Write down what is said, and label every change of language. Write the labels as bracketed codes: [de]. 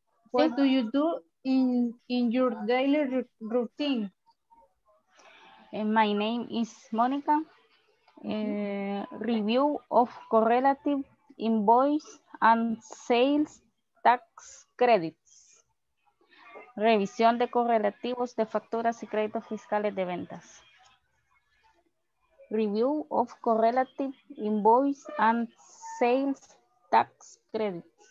[en] What do you do in your daily routine? My name is Monica. Review of correlative invoice and sales tax credits. [es] Revisión de correlativos de facturas y créditos fiscales de ventas. [en] Review of correlative invoice and sales tax credits.